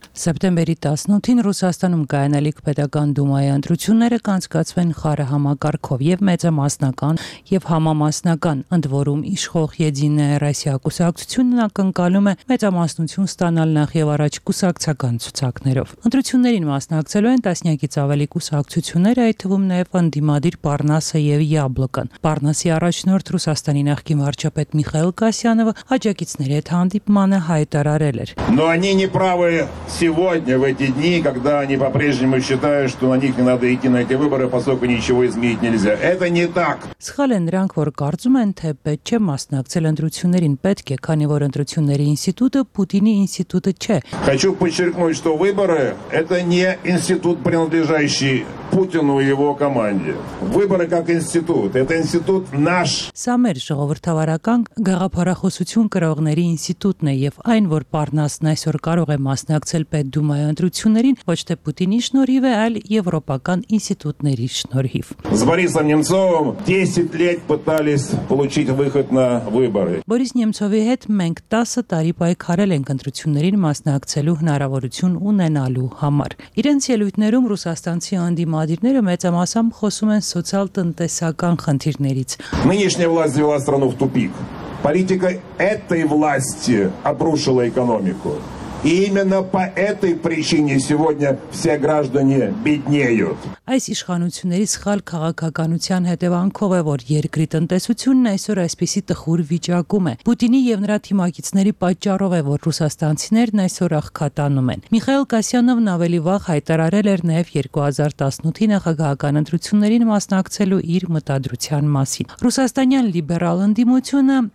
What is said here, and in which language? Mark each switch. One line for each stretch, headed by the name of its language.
Armenian: Սեպտեմբերի 18-ին Ռուսաստանում կայանալիք պետական դումայի ընտրությունները կանցկացվեն խառը համակարգով և մեծամասնական և համամասնական ընդվորում իշխող Եդինեա Ռասիա կուսակցությունն ակնկալում է մեծամասնություն ստանալ նախ և առաջ կուսակցական ցուցակներով։ Ընտրություններին մասնակցելու են տասնյակից ավելի կուսակցություններ, այդ թվում նաև ընդդիմադիր Պարնասը և Յաբլոկան։ Պարնասի առաջնորդ Ռուսաստանի նախկին վարչապետ Միխայել Կասյանովը աջակիցների հետ հանդիպմանը հայտարարել էր.
Russian: Сегодня, в эти дни, когда они по-прежнему считают, что на них не надо идти на эти выборы, поскольку ничего изменить нельзя. Это не так.
Armenian: Սխալ են նրանք, որ կարծում են, թե պետք չէ մասնակցել ընտրություններին, պետք է, քանի որ ընտրությունների ինստիտուտը Պուտինի ինստիտուտը չէ.
Russian: Хочу подчеркнуть, что выборы – это не институт, принадлежащий Путину и его команде. Выборы как институт – это институт наш.
Armenian: Սա մեր ժողովրդավարական գաղափարախոսություն կրողների ինստիտուտն է, և այն, որ Պարնասն այսօր կարող է մասնակցել պետ դումայի ընտրություններին, ոչ թե Պուտինի շնորհիվ է, այլ եվրոպական ինստիտուտների շնորհիվ։
Russian: С Борисом Немцовым 10 лет пытались получить выход на выборы.
Armenian: Борис Немцови հետ մենք 10 տարի պայքարել ենք ընտրություններին մասնակցելու հնարավորություն ունենալու համար։ Իրենց ելույթներում ռուսաստանցի անդիմադիրները մեծամասամբ խոսում են սոցիալ-տնտեսական խնդիրներից։
Russian: Нынешняя власть завела страну в тупик. Политика этой власти обрушила экономику. И именно по этой причине сегодня все граждане беднеют.
Armenian: Այս իշխանությունների սխալ քաղաքականության հետևանքով է, որ երկրի տնտեսությունն այսօր այսպիսի տխուր վիճակում է։ Պուտինի և նրա թիմակիցների պատճառով է, որ ռուսաստանցիներն այսօր աղքատանում են։ Միխայել Կասյանովն ավելի վաղ հայտարարել էր նաև 2018-ի նախագահական ընտրություններին մասնակցելու իր մտադրության մասին։ Ռուսաստանյան լիբերալ ընդդիմությունը